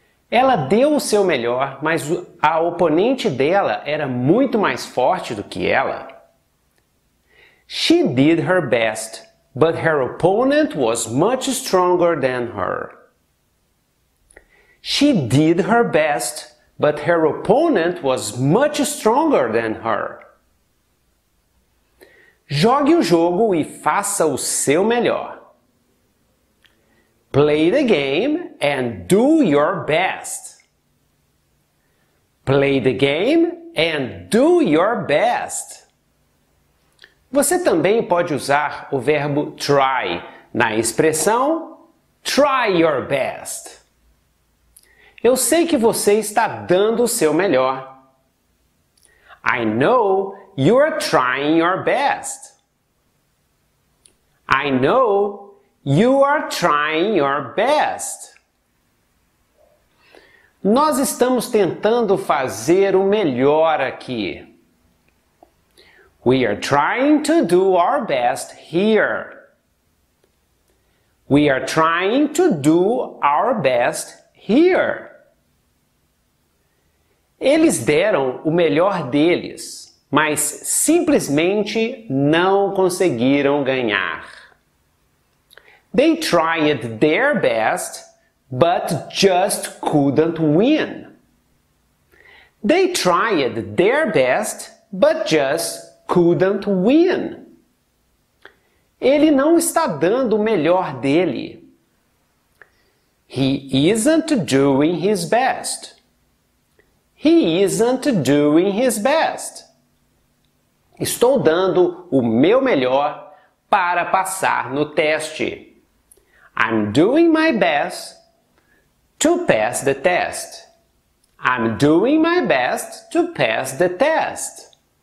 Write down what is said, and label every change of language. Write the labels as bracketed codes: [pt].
[pt] Ela deu o seu melhor, mas a oponente dela era muito mais forte do que ela. [en] She did her best, but her opponent was much stronger than her. She did her best, but her opponent was much stronger than her. [pt] Jogue o jogo e faça o seu melhor. [en] Play the game and do your best. Play the game and do your best. [pt] Você também pode usar o verbo try na expressão [en] try your best. [pt] Eu sei que você está dando o seu melhor. [en] I know you're trying your best. I know you are trying your best. [pt] Nós estamos tentando fazer o melhor aqui. [en] We are trying to do our best here. We are trying to do our best here. [pt] Eles deram o melhor deles, mas simplesmente não conseguiram ganhar. [en] They tried their best, but just couldn't win. They tried their best, but just couldn't win. [pt] Ele não está dando o melhor dele. [en] He isn't doing his best. He isn't doing his best. [pt] Estou dando o meu melhor para passar no teste. [en] I'm doing my best to pass the test. I'm doing my best to pass the test.